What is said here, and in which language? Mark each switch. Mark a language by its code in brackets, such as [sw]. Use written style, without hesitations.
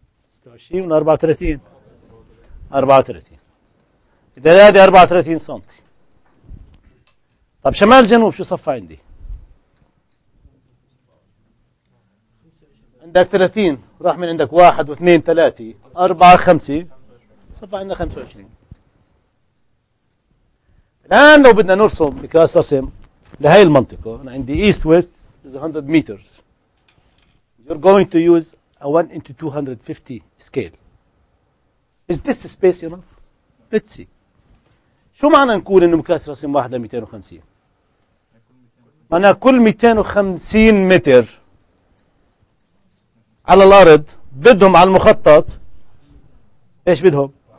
[ar] 26 من 34 34 إذا هذه 34 سنتي طب شمال جنوب شو صف عندي عندك 30 راح من عندك 1 و2 3 4 5 صف عندنا 25 الآن لو بدنا نرسم مقياس رسم لهي المنطقة أنا عندي [en] east west is 100 meters. you're going to use a 1 into 250 scale. Is this space enough? Let's see. [ar] شو معنى نقول إنه مكاس رسم واحدة 250؟ معنى كل 250 متر على الأرض بدهم على المخطط إيش بدهم؟